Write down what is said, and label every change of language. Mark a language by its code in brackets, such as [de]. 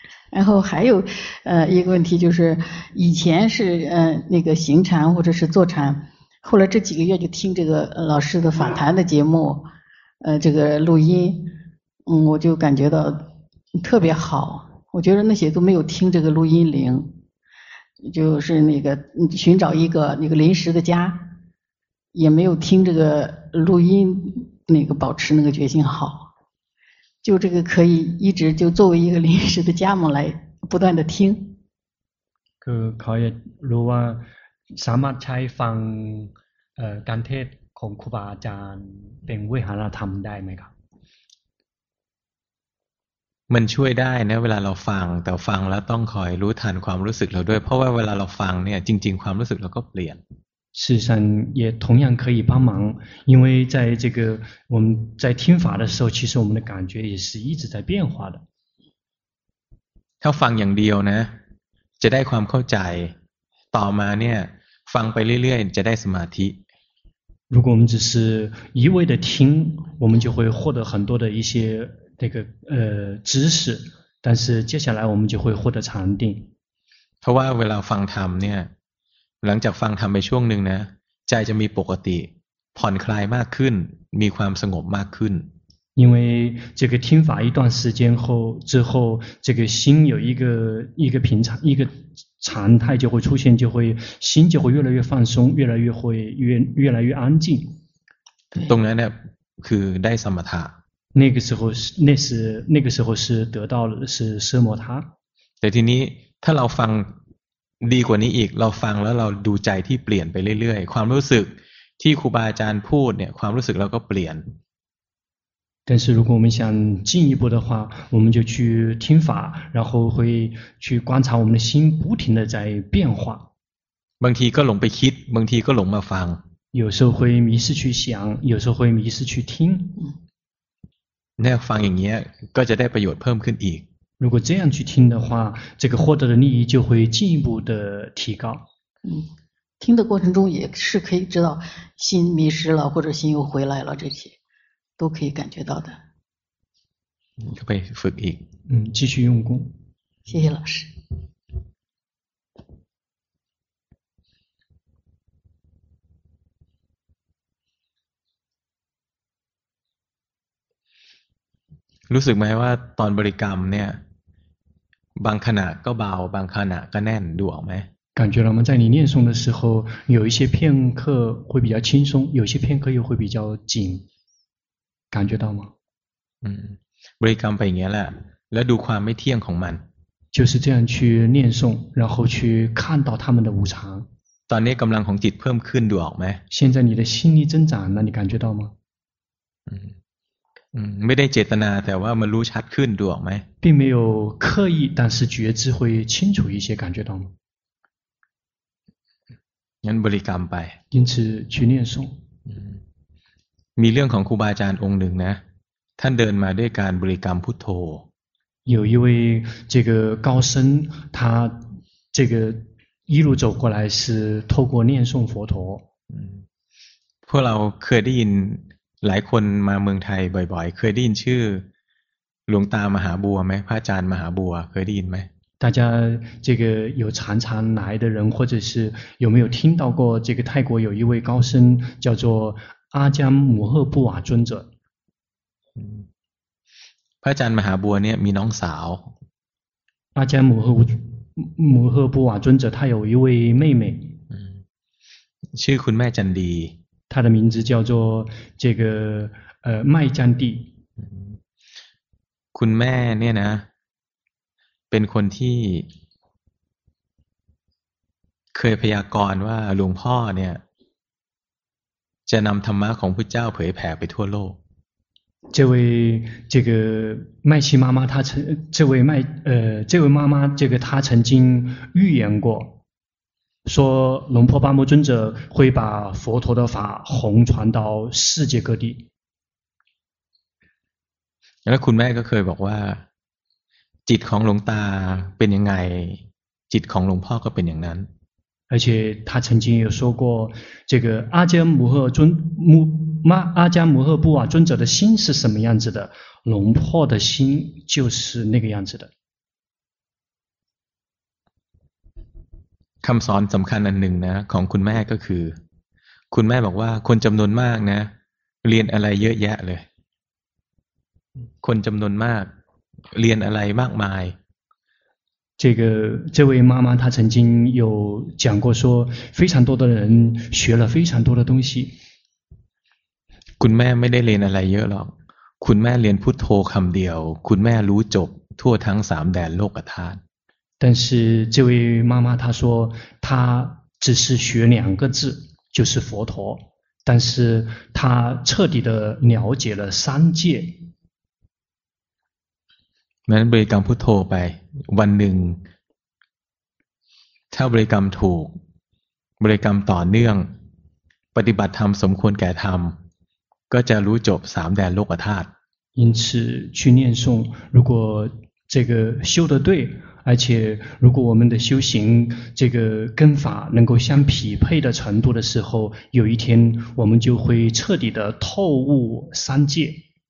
[zh] 然后还有一个问题就是以前是那个行禅或者是坐禅后来这几个月就听这个老师的访谈的节目这个录音我就感觉到特别好我觉得那些都没有听这个录音铃就是那个寻找一个那个临时的家也没有听这个录音那个保持那个决心好。就这个可以一直就作为一个临时的家母来不断的听 [th] คือเขาอยากรู้ว่าสามารถใช้ฟังการเทศของครูบาอาจารย์เป็นวิหารธรรมได้ไหมครับ มันช่วยได้นะเวลาเราฟังแต่ฟังแล้วต้องคอยรู้ทันความรู้สึกเราด้วยเพราะว่าเวลาเราฟังเนี่ยจริงๆความรู้สึกเราก็เปลี่ยน [zh] 事实上也同样可以帮忙因为在这个我们在听法的时候其实我们的感觉也是一直在变化的他 [th] ฟังอย่างเดียวนะจะได้ความเข้าใจต่อมาเนี่ยฟังไปเรื่อยๆจะได้สมาธิ [zh] 如果我们只是一味的听我们就会获得很多的一些这个知识但是接下来我们就会获得禅定 [th] เพราะว่าเวลาฟังธรรมเนี่ยหลังจากฟังทำไปช่วงหนึ่งนะใจจะมีปกติผ่อนคลายมากขึ้นมีความสงบมากขึ้น [zh] 因为这个听法一段时间后之后这个心有一个平常一个常态就会出现就会心就会越来越放松越来越会越来越安静 [th] ตรงนั้นเนี่ยคือได้สมถะ [zh] 那个时候是得到的是奢摩他 [th] แต่ทีนี้ถ้าเราฟังดีกว่านี้อีกเราฟังแล้วเราดูใจที่เปลี่ยนไปเรื่อยๆความรู้สึกที่ครูบาอาจารย์พูดเนี่ยความรู้สึกเราก็เปลี่ยน [zh] 但是如果我们想进一步的话我们就去听法然后会去观察我们的心不停的在变化 [th] บางทีก็หลงไปคิดบางทีก็หลงมาฟัง [zh] 有时候会迷失去想，有时候会迷失去听。那 [th] ฟังอย่างนี้ก็จะได้ประโยชน์เพิ่มขึ้นอีก。 [zh] 如果这样去听的话，这个获得的利益就会进一步的提高。听的过程中也是可以知道心迷失了或者心又回来了，这些都可以感觉到的。可不可以复议？继续用功。谢谢老师。 [th] รู้สึกไหมว่าตอนบริกรรมเนี่ยบางขณะก็เบาบางขณะก็แน่นดูออกไหม [zh] 感觉了吗？在你念诵的时候，有一些片刻会比较轻松，有些片刻又会比较紧，感觉到吗？ [th] บริกรรมไปอย่างนี้แหละแล้วดูความไม่เที่ยงของมัน [zh] 就是这样去念诵，然后去看到他们的无常。 [th] ตอนนี้กำลังของจิตเพิ่มขึ้นดูออกไหม [zh] 现在你的心力增长，那你感觉到吗？ [th] ไม่ได้เจตนาแต่ว่ามันรู้ชัดขึ้นดูออกไหม [zh] 并没有刻意，但是觉知会清楚一些，感觉到吗？ [th] งั้นบริกรรมไป [zh] 因此去念诵 [th] มีเรื่องของครูบาอาจารย์องค์หนึ่งนะท่านเดินมาด้วยการบริกรรมพุทโธ [zh] 有一位这个高僧他这个一路走过来是透过念诵佛陀 [th] พวกเราเคยได้ยินหลายคนมาเมืองไทยบ่อยๆเคยได้ยินชื่อหลวงตามหาบัวไหมพระอาจารย์มหาบัวเคยได้ยินไหม [zh] 大家这个有常常来的人或者是有没有听到过这个泰国有一位高僧叫做阿姜摩诃布瓦尊者 [th] พระอาจารย์มหาบัวเนี่ยมีน้องสาว [zh] 阿姜摩诃布瓦尊者他有一位妹妹 [th] ชื่อคุณแม่จันดี [zh] 他的名字叫做这个麦占地 [th] คุณแม่เนี่ยนะเป็นคนที่เคยพยากรณ์ว่าหลวงพ่อเนี่ยจะนำธรรมะของพุทธเจ้าเผยแผ่ไปทั่วโลก [zh] 这位这个麦琪妈妈她曾这位妈妈这个她曾经预言过说龙婆巴摩尊者会把佛陀的法弘传到世界各地 [th] แล้วคุณแม่ก็เคยบอกว่าจิตของหลวงตาเป็นยังไงจิตของหลวงพ่อก็เป็นอย่างนั้น [zh] 而且他曾经有说过这个阿姜摩诃尊母妈阿姜摩诃布瓦尊者的心是什么样子的龙婆的心就是那个样子的 [th] คำสอนสำคัญอันหนึ่งนะของคุณแม่ก็คือคุณแม่บอกว่าคนจำนวนมากนะเรียนอะไรเยอะแยะเลยคนจำนวนมากเรียนอะไรมากมาย [zh] 这个这位妈妈她曾经有讲过说非常多的人学了非常多的东西 [th] คุณแม่ไม่ได้เรียนอะไรเยอะหรอกคุณแม่เรียนพุทโธคำเดียวคุณแม่รู้จบทั่วทั้งสามแดนโลกธาตุ [zh] 但是这位妈妈她说她只是学两个字就是佛陀但是她彻底的了解了三界 [th] นั้นบริกรรมพุทโธไปวันหนึ่งถ้าบริกรรมถูกบริกรรมต่อเนื่องปฏิบัติธรรมสมควรแก่ธรรมก็จะรู้จบสามแดนโลกธาตุ [zh] 因此去念诵如果这个修得对而且如果我们的修行这个跟法能够相匹配的程度的时候有一天我们就会彻底的透悟三界